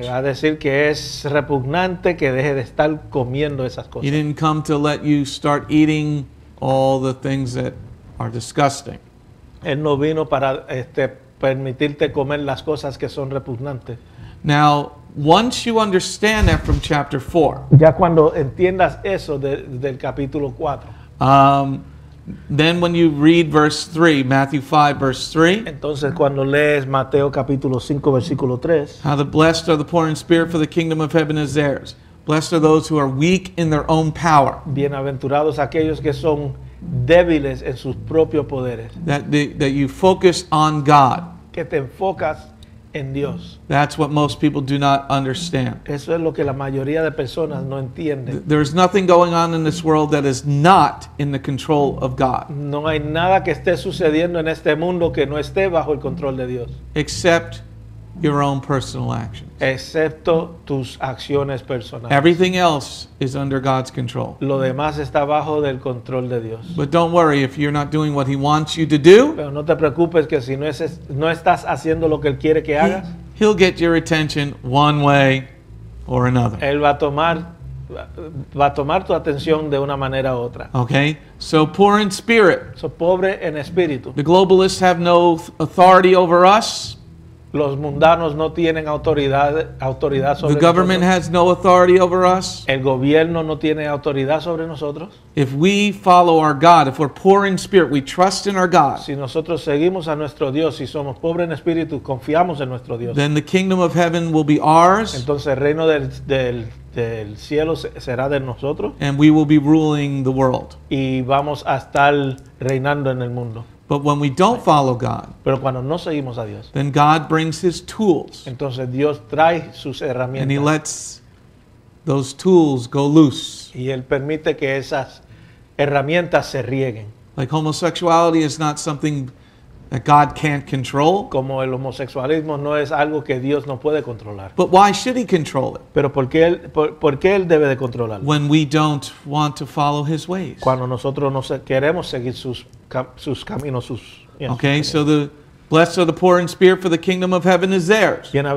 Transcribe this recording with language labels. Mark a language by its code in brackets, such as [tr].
[es] Él va a decir que es repugnante que deje de estar comiendo esas cosas. [en] He didn't come to let you start eating all the things that are disgusting. [es] Él no vino para permitirte comer las cosas que son repugnantes. [en] Now, once you understand that from chapter 4, [es] ya cuando entiendas eso del capítulo 4, [en] then when you read verse 3, Matthew 5, verse 3, [es] entonces cuando lees Mateo capítulo 5, versículo 3, [en] how the blessed are the poor in spirit, for the kingdom of heaven is theirs. Blessed are those who are weak in their own power. [es] Bienaventurados aquellos que son débiles en sus propios poderes. [en] That you focus on God. [es] Que te enfocas en Dios. [en] That's what most people do not understand. [es] Eso es lo que la mayoría de personas no entienden. [en] There is nothing going on in this world that is not in the control of God. [es] No hay nada que esté sucediendo en este mundo que no esté bajo el control de Dios. [en] Except your own personal actions. [es] Excepto tus acciones personales. [en] Everything else is under God's control. [es] Lo demás está bajo del control de Dios. [en] But don't worry if you're not doing what he wants you to do. [es] Pero no te preocupes que si no estás haciendo lo que él quiere que hagas. [en] He'll get your attention one way or another. [es] Él va a tomar tu atención de una manera u otra. [en] Okay, so poor in spirit. [es] So pobre en espíritu. [en] The globalists have no authority over us. [es] Los mundanos no tienen autoridad sobre [en] the government [es] nosotros. [en] Has no authority over us. [es] El gobierno no tiene autoridad sobre nosotros. [en] If we follow our God, if we're poor in spirit, we trust in our God. [es] Si nosotros seguimos a nuestro Dios y somos pobres en espíritu, confiamos en nuestro Dios. [en] Then the kingdom of heaven will be ours. [es] Entonces el reino del cielo será de nosotros. [en] And we will be ruling the world. [es] Y vamos a estar reinando en el mundo. [en] But when we don't follow God, [es] pero cuando no seguimos a Dios, [en] then God brings his tools. [es] Entonces Dios trae sus herramientas. [en] And he lets those tools go loose. [es] Y él permite que esas herramientas se rieguen. [en] Like homosexuality is not something that God can't control. [es] Como el homosexualismo no es algo que Dios no puede controlar. [en] But why should he control it? [es] Pero por qué él debe de controlarlo? [en] When we don't want to follow his ways. [es] Cuando nosotros no queremos seguir sus caminos, sus [en] yes, okay, [es] sus caminos. [en] So the blessed are the poor in spirit, for the kingdom of heaven is theirs.